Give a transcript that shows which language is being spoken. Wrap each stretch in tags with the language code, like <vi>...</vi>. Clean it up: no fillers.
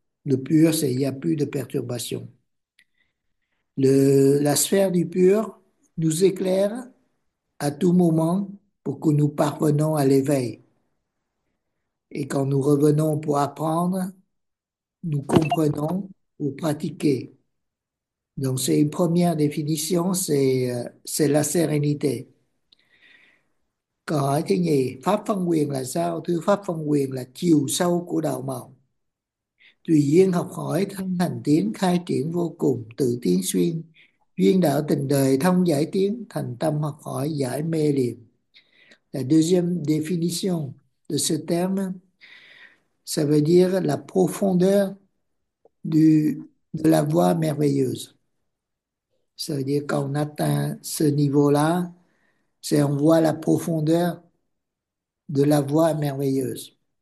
<fr>Le pur, c'est il n'y a plus de perturbation. La sphère du pur nous éclaire à tout moment pour que nous parvenions à l'éveil. Et quand nous revenons pour apprendre, nous comprenons ou pratiquer. Donc c'est une première définition, c'est la sérénité.</fr> <vi>Câu hỏi thứ nhì, pháp phân quyền là sao? Thưa, pháp phân quyền là chiều sâu của đạo màu. Tùy duyên học hỏi, thân hành tiến, khai triển vô cùng, tự tiến xuyên. Duyên đạo tình đời, thông giải tiến, thành tâm học hỏi, giải mê liền.</vi> <fr>La deuxième définition de ce terme, ça veut dire la profondeur de la voie merveilleuse. Ça veut dire qu'on atteint ce niveau-là, c'est on voit la profondeur de la voie merveilleuse.</fr>